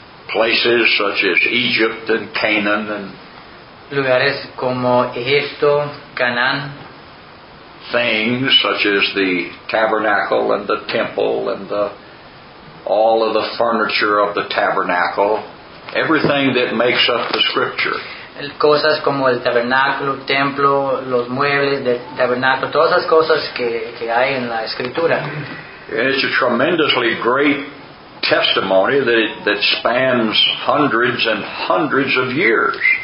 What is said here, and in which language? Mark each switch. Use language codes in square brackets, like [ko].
[en] Places such as Egypt and Canaan and [es] lugares como Egipto, Canaan. [en] Things such as the tabernacle and the temple and the all of the furniture of the tabernacle, everything that makes up the scripture. [es] Cosas como el tabernáculo, el templo, los muebles del tabernáculo, todas las cosas que hay en la escritura. [en] It's a tremendously great testimony that spans hundreds and hundreds of years.